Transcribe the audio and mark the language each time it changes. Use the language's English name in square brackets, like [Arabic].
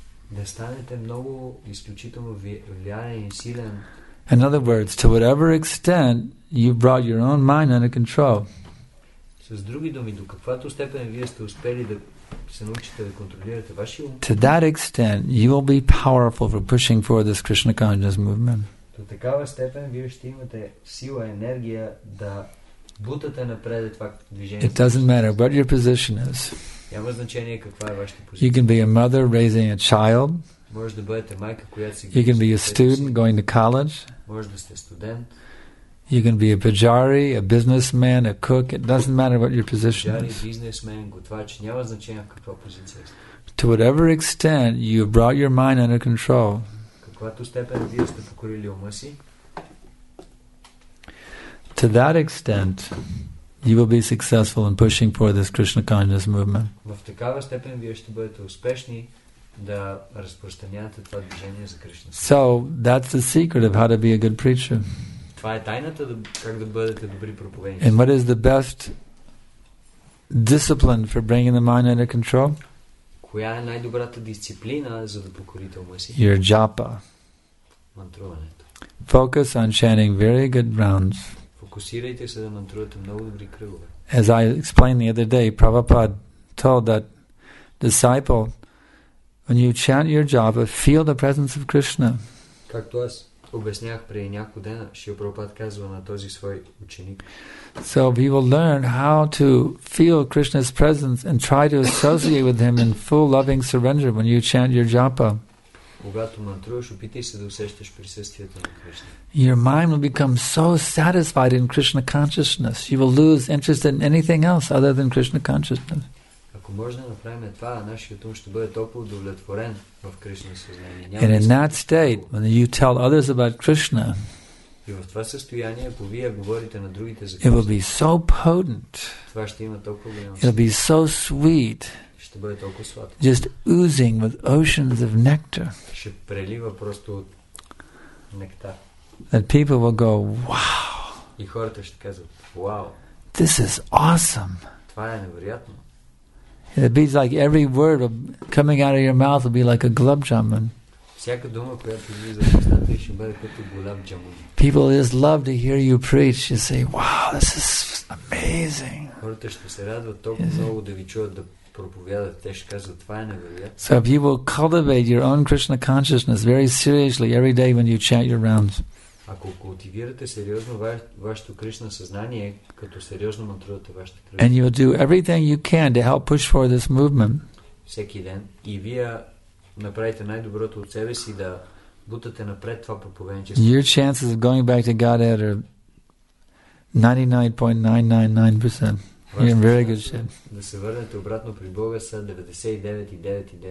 [Bulgarian] да станете много изключително влиянен и силен. [English] In other words, to whatever extent you brought your own mind under control. [Bulgarian] С други думи, до каквато степен вие сте успели да се научите да контролирате вашия ум. [English] To that extent, you will be powerful for pushing forward this Krishna consciousness movement. [Bulgarian] До такава степен вие ще имате сила, енергия да бутате напред това движение. [English] It doesn't matter what your position is. [Bulgarian] Няма значение каква е вашата позиция. [English] You can be a mother raising a child. [Bulgarian] Може да бъдете майка, която си. [English] You can be a student going to college. [Bulgarian] Може да сте студент. [English] You can be a pujari, a businessman, a cook. It doesn't matter what your position is. [Bulgarian] Businessman, готвач, няма значение каква позиция. [English] To whatever extent you have brought your mind under control. [Bulgarian] Каквато степен вие сте покорили ума си. [English] To that extent, you will be successful in pushing for this Krishna consciousness movement. [Bulgarian] В такава степен вие ще бъдете успешни да разпространявате това движение за Кришна. [English] So that's the secret of how to be a good preacher. [Bulgarian] Това е тайната да, как да бъдете добри проповедници. [English] And what is the best discipline for bringing the mind under control? [Bulgarian] Коя е най-добрата дисциплина за да покорите ума си? [English] Your japa. [Bulgarian] Мантруването. [English] Focus on chanting very good rounds. [Bulgarian] Фокусирайте се да мантрувате много добри кръгове. [English] As I explained the other day, Prabhupada told that disciple, when you chant your japa, feel the presence of Krishna. [Bulgarian] Както аз обяснях преди няколко дена, Шрила Прабхупада казва на този свой ученик. [English] So we will learn how to feel Krishna's presence and try to associate with him in full loving surrender when you chant your japa. [Bulgarian] Когато мантруваш, опитай се да усещаш присъствието на Кришна. [English] Your mind will become so satisfied in Krishna consciousness. You will lose interest in anything else other than Krishna consciousness. [Bulgarian] Ако можем да направим това, нашият ум ще бъде толкова удовлетворен в Кришна съзнание. [English] And in that state, when you tell others about Krishna, [Bulgarian] и в това състояние, ако вие говорите на другите за [English] Кришна, it will be so potent. [Bulgarian] Това ще има толкова голям. [English] It will be so sweet. [Bulgarian] Ще бъде толкова сладко. [English] Just oozing with oceans of nectar. [Bulgarian] Ще прелива просто от нектар. [English] That people will go, wow. [Bulgarian] И хората ще казват, wow. [English] This is awesome. [Bulgarian] Това е невероятно. [English] It be like every word coming out of your mouth will be like a gulab jamun. [Bulgarian] Всяка дума, която излиза от устата, ще бъде като гулаб джамун. [English] People just love to hear you preach. You say, wow, this is amazing. [Bulgarian] Хората ще се радват толкова много да ви чуят да проповядат. Те ще казват, това е невероятно. [English] So if you will cultivate your own Krishna consciousness very seriously every day when you chant your rounds. [Bulgarian] Ако култивирате сериозно вашето Кришна съзнание, като сериозно мантрувате вашите кръгове. [English] And you will do everything you can to help push forward this movement. [Bulgarian] Всеки ден. И вие направите най-доброто от себе си да бутате напред това проповедничество. [English] Your chances of going back to Godhead are 99.999%. You're in very good shape. [Bulgarian] Да се върнете обратно при Бога са 99.999%.